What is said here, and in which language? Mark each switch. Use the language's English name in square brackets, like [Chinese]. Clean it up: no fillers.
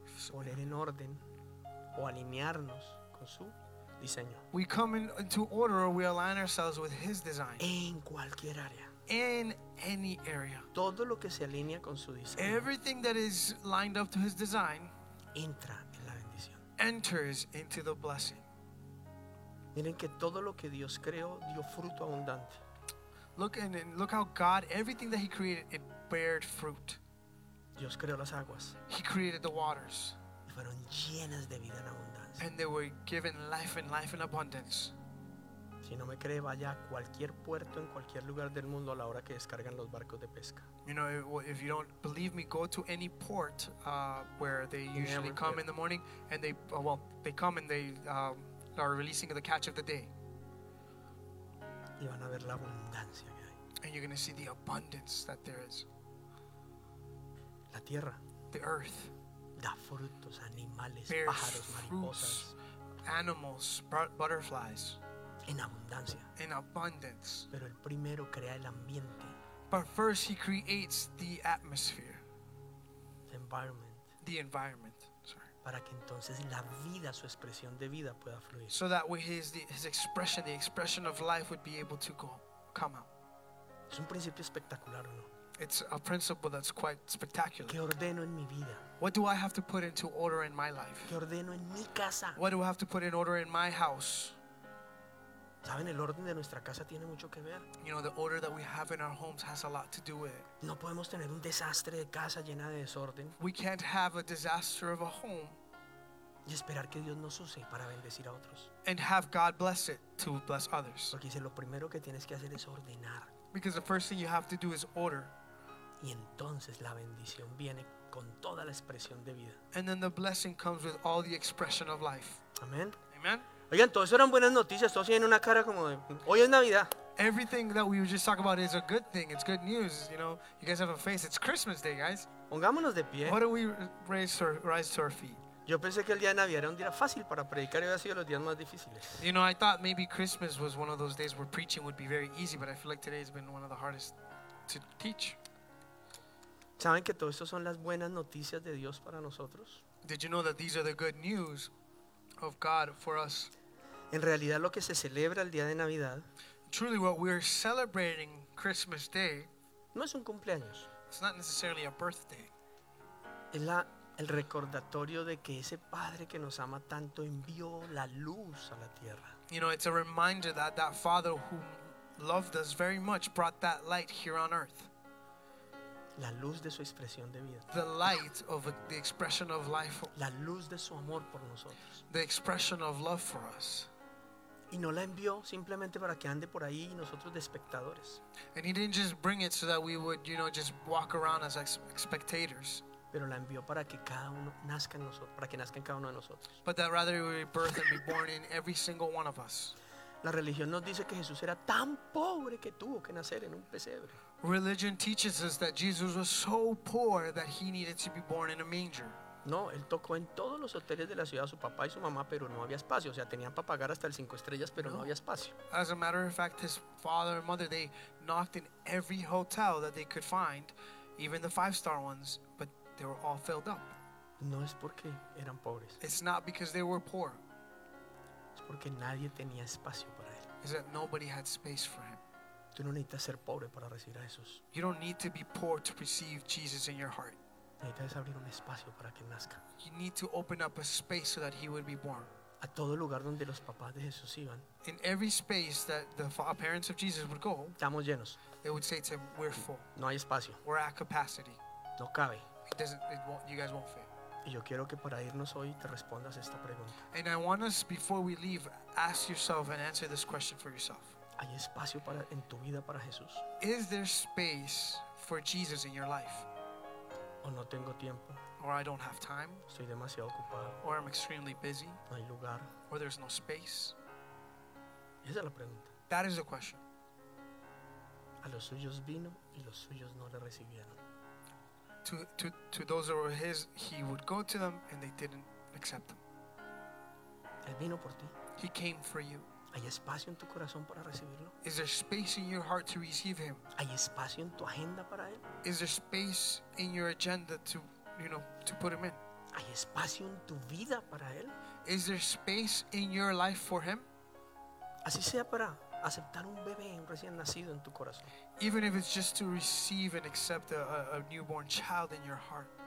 [Spanish] Poner en orden o alinearnos con su diseño. [English] We come into order or we align ourselves with his design. [Spanish] En cualquier área. [English] In any area. [Spanish] Todo lo que se alinea con su diseño. [English] Everything that is lined up to his design. [Spanish] Entra en la bendición. [English] Enters into the blessing. [Spanish] Miren que todo lo que Dios creó dio fruto abundante. [English] Look and look how God, everything that he created, it bared fruit. [Spanish] Dios creó las aguas. [English] He created the waters. [Spanish] Y fueron llenas de vida en abundancia. [English] And they were given life and life in abundance. [Spanish] Si no me cree, vaya a cualquier puerto en cualquier lugar del mundo a la hora que descargan los barcos de pesca. [English] You know, if you don't believe me, go to any port where they usually come in the morning and they, well, they come and they are releasing the catch of the day. [Spanish] Y van a ver la abundancia que hay. [English] And you're going to see the abundance that there is. [Spanish] La tierra, [English] the earth, [Spanish] da frutos, animales, [English] bears [Spanish] pájaros, mariposas, [English] fruits, animals, butterflies, [Spanish] en abundancia, [English] in abundance. [Spanish] Pero el primero crea el ambiente. [English] But first he creates the atmosphere, the environment. Sorry. [Spanish] Para que entonces la vida, su expresión de vida, pueda fluir. [English] So that way his expression of life would be able to come out. [Spanish] Es un principio espectacular, ¿no? [English] It's a principle that's quite spectacular. [Spanish] ¿Qué ordeno en mi vida? [English] What do I have to put into order in my life? [Spanish] ¿Qué ordeno en mi casa? [English] What do I have to put in order in my house? [Spanish] ¿Saben? El orden de nuestra casa tiene mucho que ver. [English] You know, the order that we have in our homes has a lot to do with it. [Spanish] No podemos tener un desastre de casa llena de desorden. [English] We can't have a disaster of a home. [Spanish] Y esperar que Dios nos use para bendecir a otros. [English] And have God bless it to bless others. [Spanish] Porque dice, lo primero que tienes que hacer es ordenar. [English] Because the first thing you have to do is order. [Spanish] Y entonces la bendición viene con toda la expresión de vida. [English] And then the blessing comes with all the expression of life. Amen. Amen. [Spanish] Oigan, todo eso eran buenas noticias. Todos tienen una cara como de, hoy es Navidad. [English] Everything that we were just talking about is a good thing. It's good news. You know, you guys have a face. It's Christmas Day, guys. [Spanish] Pongámonos de pie. [English] Why don't we rise to our feet? [Spanish] Yo pensé que el día de Navidad era un día fácil para predicar y había sido los días más difíciles. [English] You know, I thought maybe Christmas was one of those days where preaching would be very easy, but I feel like today has been one of the hardest to teach. [Spanish] ¿Saben que todo esto son las buenas noticias de Dios para nosotros? [English] Did you know that these are the good news of God for us? [Spanish] En realidad lo que se celebra el día de Navidad, [English] truly what we're celebrating Christmas Day, [Spanish] no es un cumpleaños. [English] It's not necessarily a birthday. [Spanish] Es la el recordatorio de que ese Padre que nos ama tanto envió la luz a la tierra. [English] You know, it's a reminder that that Father who loved us very much brought that light here on earth. [Spanish] La luz de su expresión de vida. [English] The light of the expression of life. [Spanish] La luz de su amor por nosotros. [English] The expression of love for us. [Spanish] Y no la envió simplemente para que ande por ahí y nosotros de espectadores. [English] And he didn't just bring it so that we would, you know, just walk around as spectators. [Spanish] Pero la envió para que cada uno nazca en nosotros, para que nazca en cada uno de nosotros. [English] But that rather we birth and be born in every single one of us. [Spanish] La religión nos dice que Jesús era tan pobre que tuvo que nacer en un pesebre. [English] Religion teaches us that Jesus was so poor that he needed to be born in a manger. [Spanish] No, él tocó en todos los hoteles de la ciudad su papá y su mamá, pero no había espacio. O sea, tenían para pagar hasta el 5 estrellas, pero no había espacio. [English] As a matter of fact, his father and mother, they knocked in every hotel that they could find, even the 5-star ones, but they were all filled up. [Spanish] No es porque eran pobres. [English] It's not because they were poor. [Spanish] Es porque nadie tenía espacio para él. [English] It's that nobody had space for him. [Spanish] Tú no necesitas ser pobre para recibir a Jesús. [English] You don't need to be poor to receive Jesus in your heart. [Spanish] Necesitas abrir un espacio para que nazca. [English] You need to open up a space so that he would be born. [Spanish] A todo lugar donde los papás de Jesús iban. [English] In every space that the parents of Jesus would go. [Spanish] Estamos llenos. [English] They would say to him, we're full. [Spanish] No hay espacio. [English] We're at capacity. [Spanish] No cabe. [English] It doesn't, it won't, you guys won't fit. [Spanish] Y yo quiero que para irnos hoy te respondas esta pregunta. [English] And I want us, before we leave, ask yourself and answer this question for yourself. [Spanish] ¿Hay espacio para, en tu vida para Jesús? [English] Is there space for Jesus in your life? [Spanish] O no tengo tiempo. [English] Or I don't have time. [Spanish] Estoy demasiado ocupado. [English] Or I'm extremely busy. [Spanish] No hay lugar. [English] Or there's no space. [Spanish] Esa es la pregunta. [English] That is the question. [Spanish] A los suyos vino y los suyos no le recibieron. [English] To those who were his, he would go to them and they didn't accept him. [Spanish] Él vino por ti. [English] He came for you. [Spanish] ¿Hay espacio en tu corazón para recibirlo? [English] Is there space in your heart to receive him? [Spanish] ¿Hay espacio en tu agenda para él? [English] Is there space in your agenda to, you know, to put him in? [Spanish] ¿Hay espacio en tu vida para él? [English] Is there space in your life for him? [Spanish] Así sea para aceptar un bebé recién nacido en tu corazón. [English] Even if it's just to receive and accept a newborn child in your heart.